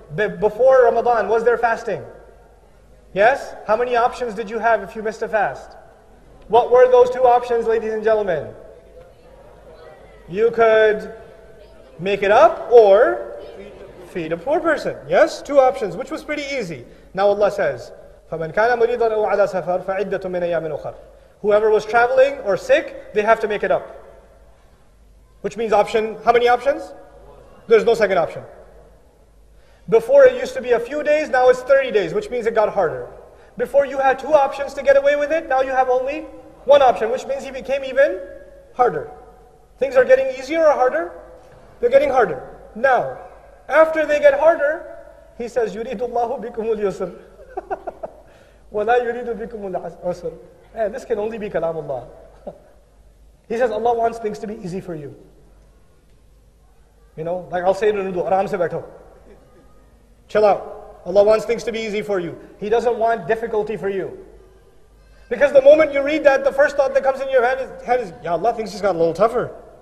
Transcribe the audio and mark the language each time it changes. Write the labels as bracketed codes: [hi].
[en] Before Ramadan, was there fasting? Yes? How many options did you have if you missed a fast? What were those two options, ladies and gentlemen? You could make it up or feed a poor person. Yes? Two options, which was pretty easy. Now Allah says, [ar] فَمَنْ كَانَ مُرِيدًا أَوْ عَلَى سَفَرٍ فَعِدَّةٌ مِنْ أَيَّامٍ أُخَرٍ. [en] Whoever was traveling or sick, they have to make it up. Which means option, how many options? There's no second option. Before it used to be a few days, now it's 30 days, which means it got harder. Before you had two options to get away with it, now you have only one option, which means he became even harder. Things are getting easier or harder? They're getting harder. Now, after they get harder, he says, [ar] يُرِيدُ اللَّهُ بِكُمُ الْيُسْرِ وَلَا يُرِيدُ بِكُمُ الْعُسْرِ. [en] Man, this can only be kalamullah. He says, Allah wants things to be easy for you. You know, like I'll say it in Urdu, [ur] aram se baitho. [en] Chill out. Allah wants things to be easy for you. He doesn't want difficulty for you. Because the moment you read that, the first thought that comes in your head is, Ya Allah, things just got a little tougher.